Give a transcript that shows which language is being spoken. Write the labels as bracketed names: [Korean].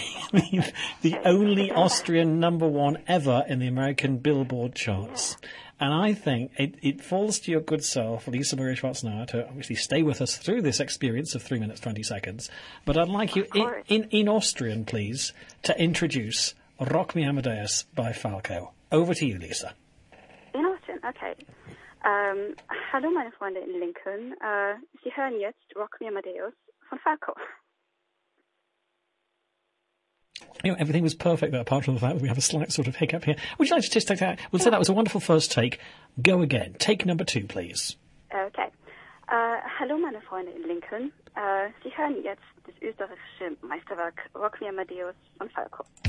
[English] The only Austrian number one ever in the American Billboard charts. Yeah. And I think it falls to your good self, Lisa Maria Schwarzenauer, to obviously stay with us through this experience of 3 minutes 20 seconds. But I'd like you, in Austrian, please, to introduce Rock Me Amadeus by Falco. Over to you, Lisa. In Austrian, okay. [German] Hallo meine Freunde in Lincoln, Sie hören jetzt Rock Me Amadeus von Falco. [English] You know, everything was perfect there, apart from the fact we have a slight sort of hiccup here. Would you like to just take that? We'll say that was a wonderful first take. Go again. Take number two, please. Okay. [German] Hallo meine Freunde in Lincoln, Sie hören jetzt das österreichische Meisterwerk Rock Me Amadeus von Falco.